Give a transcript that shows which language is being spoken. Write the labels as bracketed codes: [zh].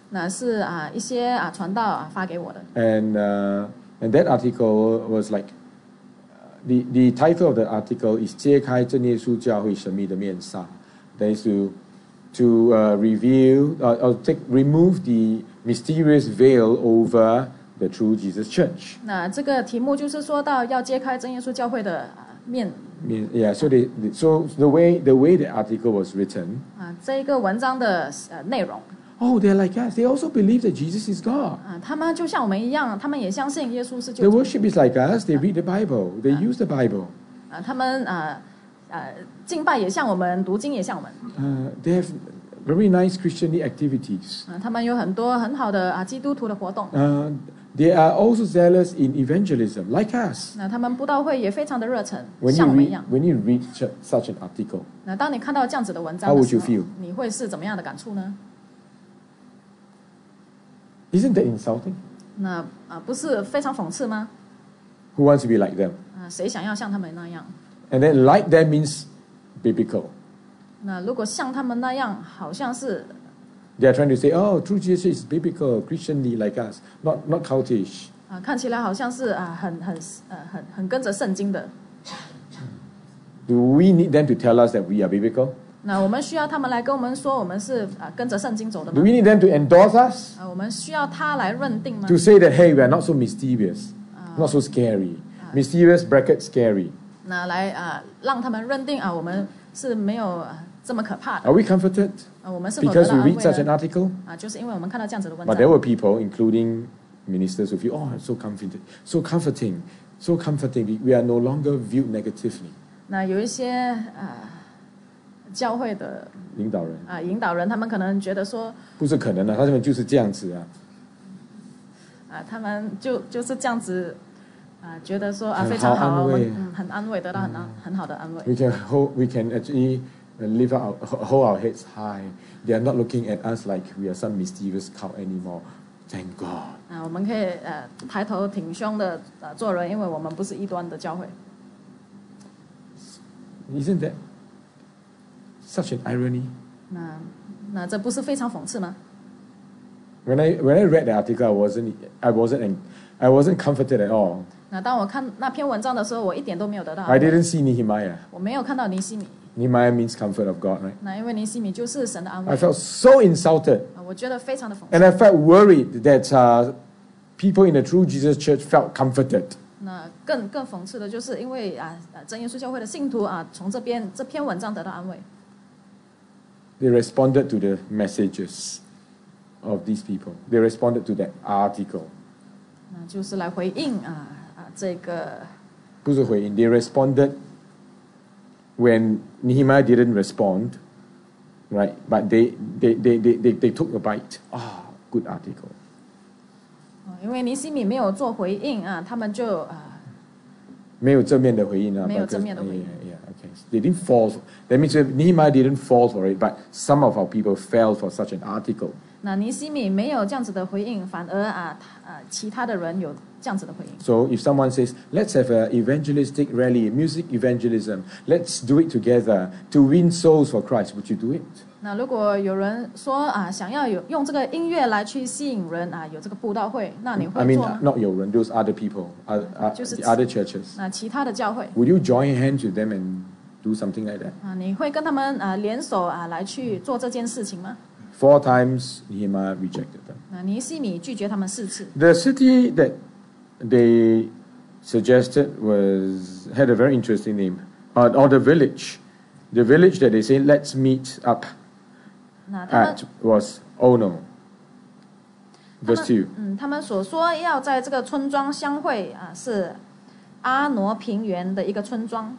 [zh] 那是一些传道发给我的。 [en] And that article was like, the title of the article is [zh] 揭开正耶稣教会神秘的面纱 [en] That is to remove the mysterious veil over the true Jesus Church. [zh] 那这个题目就是说到要揭开正耶稣教会的面。 [en] Yeah, so the way the article was written. [zh] 这个文章的内容。 [en] Oh, they're like us. They also believe that Jesus is God. [zh] 他们就像我们一样，他们也相信耶稣是救主。 [en] Their worship is like us. They read the Bible. They use the Bible. [zh] 他们敬拜也像我们，读经也像我们。 [en] They have very nice Christian activities. [zh] 他们有很多很好的基督徒的活动。 [en] They are also zealous in evangelism, like us. [zh] 那他们布道会也非常的热忱， [en] When you read such an article, [zh] 那当你看到这样子的文章的时候， [en] How would you feel? [zh] 你会是怎么样的感触呢？ [en] Isn't that insulting? [zh] 那不是非常讽刺吗？ [en] Who wants to be like them? [zh] 谁想要像他们那样？ [en] And then like them means biblical. [zh] 那如果像他们那样，好像是 [en] They are trying to say, "Oh, true Jesus is biblical, Christianly like us, not cultish." [zh] 看起来好像是很跟着圣经的。 [en] Do we need them to tell us that we are biblical? [zh] 那我们需要他们来跟我们说我们是跟着圣经走的吗？ [en] Do we need them to endorse us? [zh] 我们需要他来认定吗？ [en] To say that, hey, we are not so mysterious, not so scary. Mysterious bracket scary. [zh] 那来让他们认定我们是没有这么可怕的。 [en] Are we comforted? [zh] 我们是否 [en] Because we read such an article? [zh] 就是因为我们看到这样子的文章。 [en] But there were people, including ministers, who feel, oh, so comforting. We are no longer viewed negatively. [zh] 那有一些教会的引导人他们可能觉得说不是可能的、啊、他们就是这样子他们就是这样子觉得说非常好安慰我们很安慰得到 很好的安慰 [en] We can actually hold our heads high. They are not looking at us like we are some mysterious cult anymore. Thank God. [zh] 我们可以抬头挺胸的做人，因为我们不是异端的教会。 [en] Isn't that such an irony? [zh] 那这不是非常讽刺吗？ [en] When I read the article, I wasn't comforted at all. [zh] 那当我看那篇文章的时候，我一点都没有得到。 [en] I didn't see Nehemiah. [zh] 我没有看到尼希米。 [en] Nehemiah means comfort of God, right? [zh] 那因为尼希米就是神的安慰。 [en] I felt so insulted. [zh] 我觉得非常的讽刺。 [en] And I felt worried that people in the true Jesus Church felt comforted. [zh] 那更讽刺的就是因为真耶稣教会的信徒从这篇文章得到安慰。 [en] They responded to the messages of these people. They responded to that article. [zh] 那就是来回应这个。不是回应， [en] they responded when Nehemiah didn't respond, right? But they took a bite. Ah, good article. [zh] 因为尼希米没有做回应他们就没有正面的回应没有正面的回应。 [en] They didn't fall. That means Nehemiah didn't fall for it, but some of our people fell for such an article. [zh] 那尼希米没有这样子的回应，反而其他的人有这样子的回应。 [en] So if someone says, "Let's have an evangelistic rally, music evangelism, let's do it together to win souls for Christ," would you do it? [zh] 那如果有人说想要用这个音乐来去吸引人有这个布道会，那你会做吗？ [en] I mean, not [zh] 有人 [en] those other people, the other churches. [zh] 那其他的教会。 [en] Would you join hands with them and do something like that? [zh] 你会跟他们联手来去做这件事情吗？ [en] Four times Nehemiah rejected them. [zh] 那尼希米拒绝他们四次。 [en] The city that they suggested had a very interesting name, or the village. The village that they say let's meet up at was Ono. Verse 2. [zh] 他们所说要在这个村庄相会是阿挪平原的一个村庄。